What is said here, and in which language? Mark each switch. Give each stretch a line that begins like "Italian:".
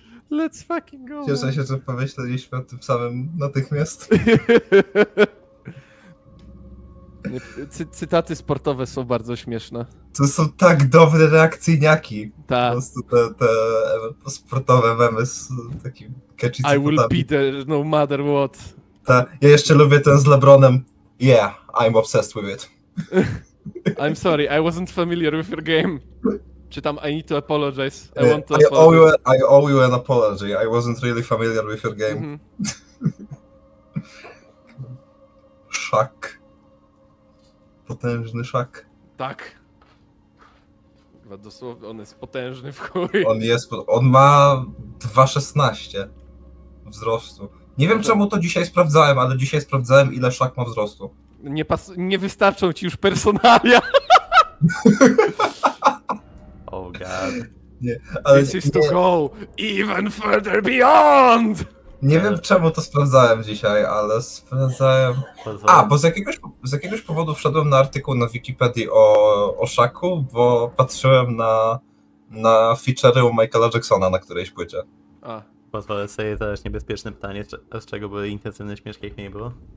English: Let's fucking go.
Polish: Cieszę się, że pomyśleliśmy o tym samym natychmiast. Cytaty sportowe są bardzo śmieszne. To są tak dobre reakcyjniaki. Tak. Po prostu te sportowe memy z takim catchy cytatami.
English: I will be there no matter what.
Polish: Ja jeszcze lubię ten z LeBronem.
English: Yeah, I'm obsessed with it. I'm sorry, I wasn't familiar with your game.
Polish: Czy tam
English: I need to apologize? I want to apologize. I owe you an apology. I wasn't really familiar with your game.
Polish: Szak. Potężny szak. Tak. Chyba dosłownie on jest potężny w chuj. On ma 2,16 wzrostu. Nie wiem, czemu to dzisiaj sprawdzałem, ale dzisiaj sprawdzałem, ile szak ma wzrostu. Nie wystarczą ci już personalia.
English: Oh god.
Polish: Nie, ale
English: this is to go even further beyond!
Polish: Nie wiem, czemu to sprawdzałem dzisiaj, ale sprawdzałem. A, bo z jakiegoś powodu wszedłem na artykuł na Wikipedii o Shaku, bo patrzyłem na featurey u Michaela Jacksona na którejś płycie. Pozwolę sobie zadać niebezpieczne pytanie, z czego były intensywne śmieszki, jak nie było?